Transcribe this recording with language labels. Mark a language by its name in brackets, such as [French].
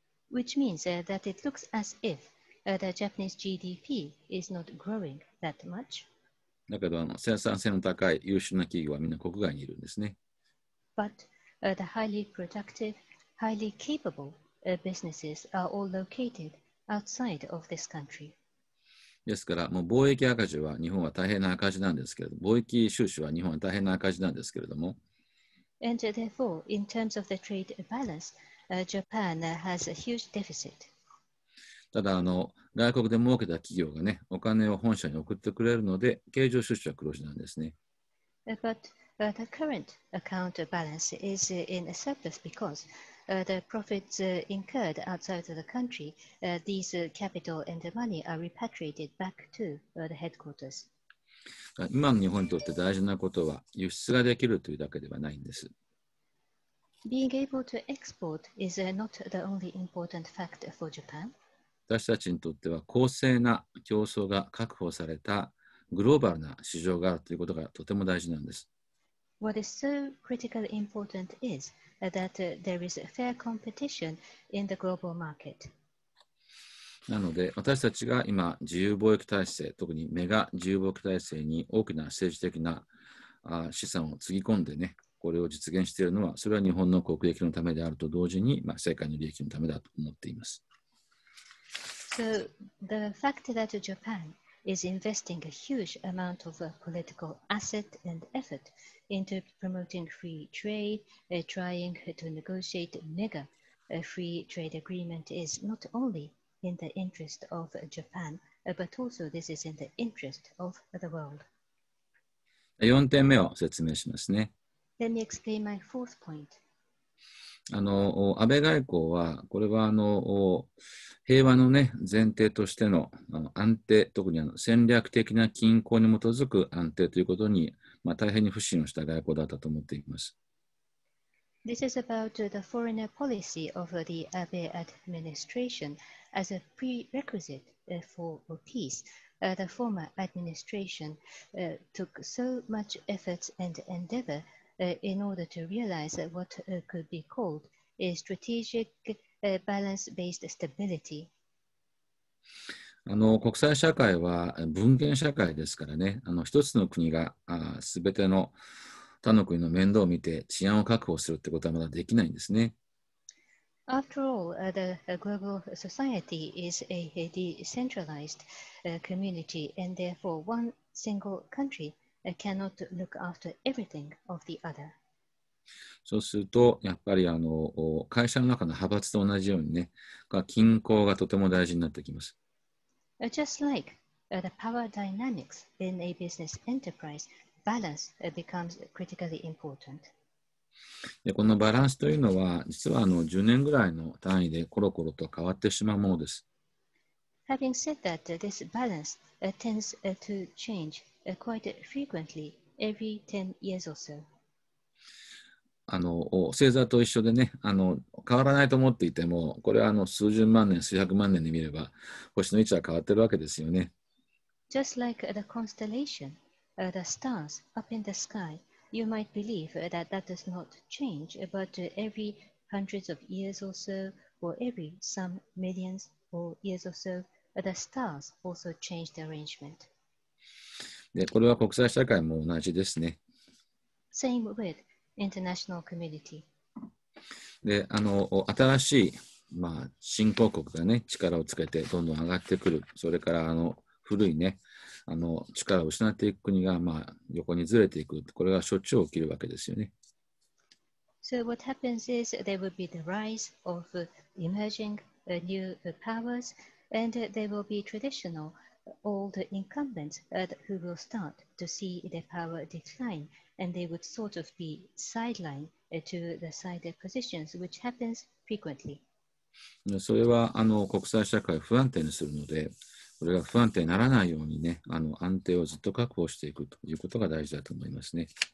[English] Which means that it looks as if the Japanese GDP is not growing that much. [Japanese] だけど生産性の高い優秀な企業はみんな国外にいるんですね。 [English] But the highly productive, highly capable businesses are all located outside of this country. [Japanese] ですから、もう貿易赤字は日本は大変な赤字なんですけれども、貿易収支は日本は大変な赤字なんですけれども。 [English] And therefore, in terms of the trade balance,Japan has a huge deficit. [Japanese] ただ外国で儲けた企業がね、お金を本社に送ってくれるので、経常収支は黒字なんですね。 [English] But the current account balance is in a surplus because the profits incurred outside of the country, these capital and the money are repatriated back to the headquarters. [Japanese] 今の日本にとって大事なことは、輸出ができるというだけではないんです。 [English] Being able to export is not the only important fact for Japan. [Japanese] 私たちにとっては公正な競争が確保されたグローバルな市場があるということがとても大事なんです。 [English] What is so critically important is that there is fair competition in the global market. [Japanese] なので私たちが今自由貿易体制、特にメガ自由貿易体制に大きな政治的な資産をつぎ込んでね、これを実現しているのは、それは日本の国益のためであると同時に、世界の利益のためだと思っています。 [English] So, the fact that Japan is investing a huge amount of political asset and effort into promoting free trade, trying to negotiate mega free trade agreement is not only in the interest of Japan, but also this is in the interest of the world. [Japanese] 4点目を説明しますね。 [English] Let me explain my fourth point. [Japanese] 安倍外交は、これは平和の、ね、前提としての 安定、特に戦略的な均衡に基づく安定ということに、大変に不信をした外交だったと思っています。 [English] This is about the foreign policy of the Abe administration as a prerequisite for peace. The former administration took so much effort and endeavor. In order to realize what could be called a strategic balance-based stability. [Japanese] 国際社会は分権社会ですからね、一つの国が全ての他の国の面倒を見て治安を確保するってことはまだできないんですね。 [English] After all, the global society is a decentralized community, and therefore one single countryCannot look after everything of the other. [Japanese] そうするとやっぱり会社の中の派閥と同じようにね、均衡がとても大事になってきます。 [English] Just like the power dynamics in a business enterprise, balance becomes critically important. [Japanese] で、このバランスというのは実は10年ぐらいの単位でコロコロと変わってしまうものです。 [English] Having said that, this balance tends to change quite frequently, every 10 years or so. [Japanese] 星座と一緒でね、変わらないと思っていても、これは数十万年、数百万年で見れば、星の位置は変わってるわけですよね。 [English] Just like the constellation, the stars up in the sky, you might believe that that does not change, but every hundreds of years or so, or every some millions or years or so, the stars also change the arrangement. [Japanese] で、これは国際社会も同じですね。 [English] Same with international community. [Japanese] で、新しい、新興国がね、力をつけてどんどん上がってくる。それから古いね、力を失っていく国が、横にずれていく。これがしょっちゅう起きるわけですよね。 [English] So what happens is there will be the rise of emerging new powers and there will be traditional old incumbents who will start to see their power decline and they would sort of be sidelined to the side positions which happens frequently. [Japanese] それは国際社会を不安定にするのでこれが不安定にならないようにね安定をずっと確保していくということが大事だと思いますね。